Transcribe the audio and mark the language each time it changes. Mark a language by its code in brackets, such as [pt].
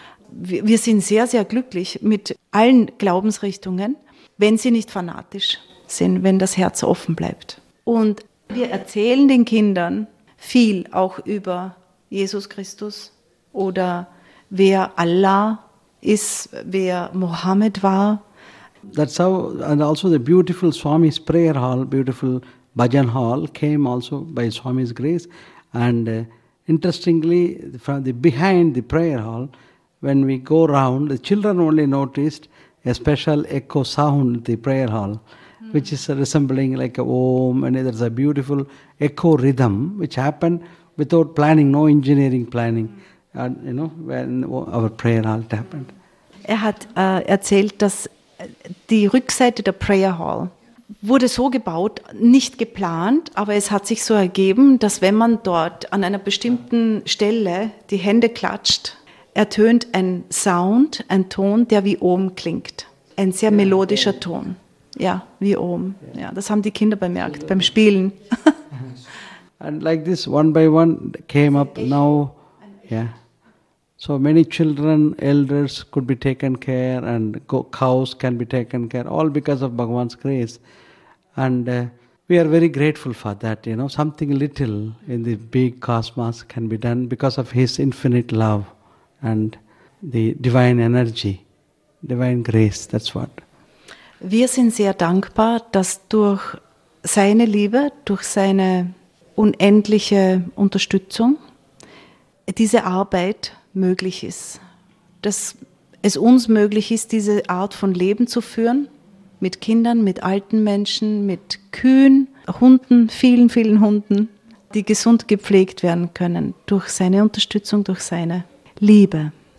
[de] Wir sind sehr, sehr glücklich mit allen Glaubensrichtungen, wenn sie nicht fanatisch sind, wenn das Herz offen bleibt. Und wir erzählen den Kindern viel auch über Jesus Christus oder wer Allah ist, wer Mohammed war. [en] That's how, and also the beautiful Swami's prayer hall, beautiful bhajan hall came also by Swami's grace. And interestingly, from the behind the prayer hall, when we go round, the children only noticed a special echo sound, the prayer hall, which is resembling like a om, and there's a beautiful echo rhythm which happened without planning, no engineering planning. And you know, when our prayer hall happened. [de] Er hat erzählt, dass die Rückseite der Prayer Hall wurde so gebaut, nicht geplant, aber es hat sich so ergeben, dass wenn man dort an einer bestimmten Stelle die Hände klatscht, ertönt ein Sound, ein Ton, der wie Om klingt. Ein sehr melodischer Ton. Ja, wie Om. Ja, das haben die Kinder bemerkt beim Spielen. [en] And like this, one by one came up now. Yeah, so many children, elders could be taken care, and cows can be taken care, all because of Bhagavan's grace. And we are very grateful for that, you know, something little in the big cosmos can be done because of His infinite love and the divine energy, divine grace, that's what. [de] Wir sind sehr dankbar, dass durch seine Liebe, durch seine unendliche Unterstützung, diese Arbeit möglich ist, dass es uns möglich ist, diese Art von Leben zu führen, mit Kindern, mit alten Menschen, mit Kühen, Hunden, vielen, vielen Hunden, die gesund gepflegt werden können durch seine Unterstützung, durch seine Liebe.